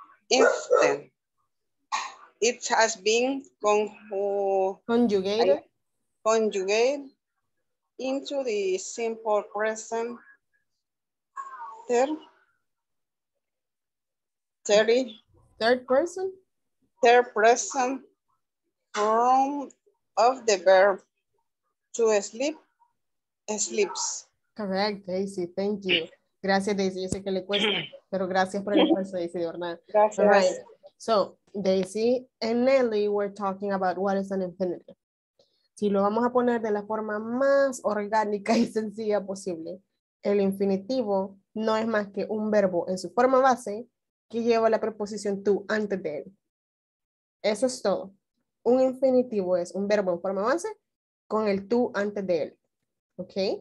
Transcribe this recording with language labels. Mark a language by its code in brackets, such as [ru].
[en] Instead, it has been conjugated into the simple present third person form of the verb to sleeps. Correct, Daisy, thank you. [es] Gracias, [en] Daisy. [es] Yo sé que le cuesta, pero gracias por el esfuerzo, Daisy, de verdad. Gracias. [en] All right. So, Daisy and Nelly were talking about what is an infinitive. [es] Si lo vamos a poner de la forma más orgánica y sencilla posible, el infinitivo no es más que un verbo en su forma base que lleva la preposición to antes de él. Eso es todo. Un infinitivo es un verbo en forma base con el to antes de él. ¿Ok?